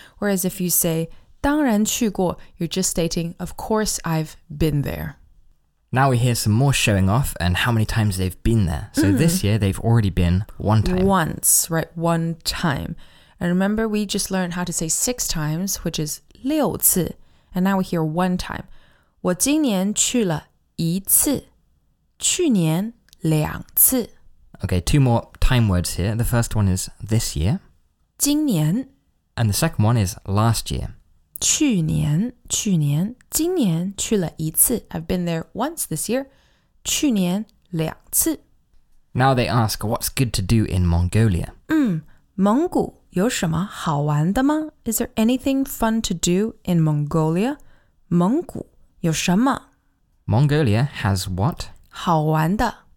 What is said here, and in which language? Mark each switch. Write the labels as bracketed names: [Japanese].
[English] Whereas if you say [Chinese] 当然去过, [English] you're just stating, of course I've been there. Now we hear some more showing off and how many times they've been there. So this year they've already been one time. Once, right? One time. And remember, we just learned how to say six times, which is 六次. And now we hear one time. [Chinese] 我今年去了一次,去年两次. [English] Okay, two more time words here. The first one is this year. [Chinese] 今年. [English] And the second one is last year. [Chinese] 去年,去年,今年去了一次. [English] I've been there once this year. [Chinese] 去年两次. [English] Now they ask, what's good to do in Mongolia? [Chinese] 蒙古有什么好玩的吗? [English] Is there anything fun to do in Mongolia? [Chinese] 蒙古有什么? [English] Mongolia has what? [Chinese] 好玩的.